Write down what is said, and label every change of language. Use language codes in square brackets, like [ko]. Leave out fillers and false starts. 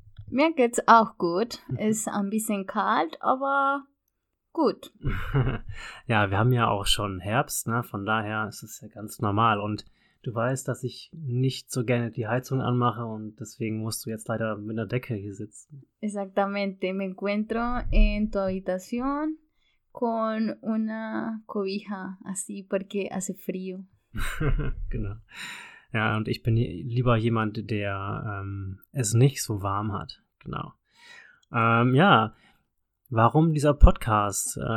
[de] Mir geht's auch gut. Ist ein bisschen kalt, aber gut. Ja, wir haben ja auch schon Herbst, ne? Von daher ist es ja ganz normal. Und du weißt, dass ich nicht so gerne die Heizung anmache und deswegen musst du jetzt leider mit einer Decke hier sitzen. [es] Exactamente. Me encuentro en tu habitación con una cobija así porque hace frío. [de] Genau. Ja, und ich bin lieber jemand, der es nicht so warm hat. Genau. Ja, warum dieser Podcast?